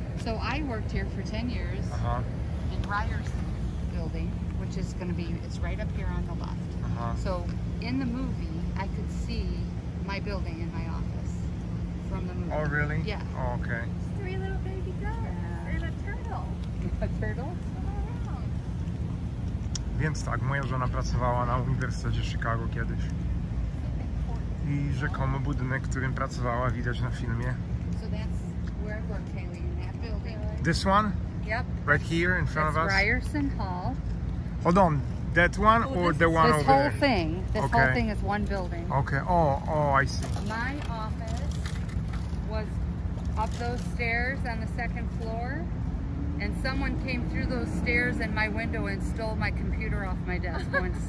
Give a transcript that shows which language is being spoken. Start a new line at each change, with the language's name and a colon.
English: So I worked here for 10 years in Ryerson building, which is going to be... It's right up here on the left. So in the movie, I could see my building and my office from the movie. Oh, really? Yeah. Oh, okay. Three little baby girls. And a turtle. A turtle?
Polish: Więc tak, moja żona pracowała na Uniwersytecie Chicago kiedyś. I rzekomo budynek, w którym pracowała, widać na filmie.
English: So that's where I work, Kaylee, in that building. This one? Yep. Right here in front that's of us? That's Ryerson Hall. Hold on, that one or this, the one over there? This whole thing. This whole thing is one building. Okay, oh, I see. My office was up those stairs on the second floor, and someone came through those stairs in my window and stole my computer off my desk once.